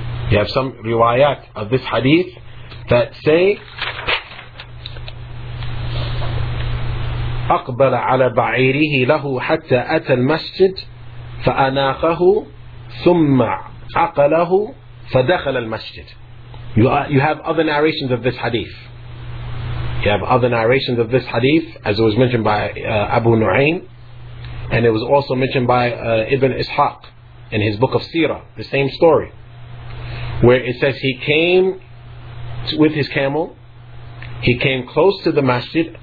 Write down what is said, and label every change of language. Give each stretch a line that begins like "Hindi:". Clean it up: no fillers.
English: You have some riwayat of this hadith that say
Arabic: أقبل على بعيره له حتى أتى المسجد فأناقه ثم عقله فدخل المسجد.
English: You have other narrations of this hadith. You have other narrations of this hadith, as it was mentioned by Abu Nu'aym, and it was also mentioned by Ibn Ishaq in his book of Sirah, the same story, where it says he came with his camel, he came close to the masjid.